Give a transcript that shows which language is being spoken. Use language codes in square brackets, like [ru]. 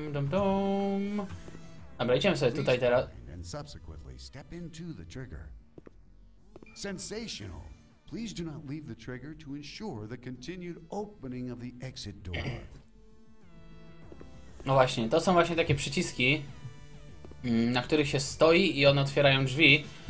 [pl] Dum. Dobra, idziemy sobie tutaj teraz. [en] And subsequently step into the trigger. Sensational. Please do not leave the trigger to ensure the continued opening of the exit door. [pl] No właśnie, to są właśnie takie przyciski, na których się stoi i one otwierają drzwi.